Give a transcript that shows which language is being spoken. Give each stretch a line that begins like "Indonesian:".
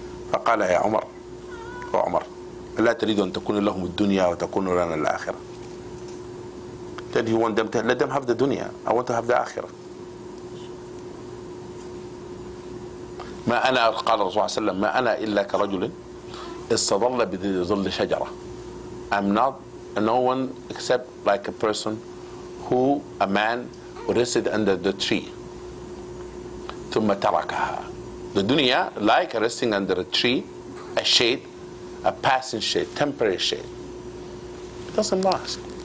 Arabic: فقال يا عمر, يا عمر, لا تريد أن تكون لهم الدنيا وتكون لنا الآخرة.
English: Then he want them to, let them have the dunya, I want to have the akhirah.
Arabic: ما أنا, قال الرسول صلى الله عليه وسلم, ما أنا إلا كرجل استظل بذي ظل شجرة.
English: I'm not no one except like a person who, a man who rested under the tree.
Arabic: ثم تركها.
English: The dunya, like resting under a tree, a shade, a passing shade, temporary shade. It doesn't last.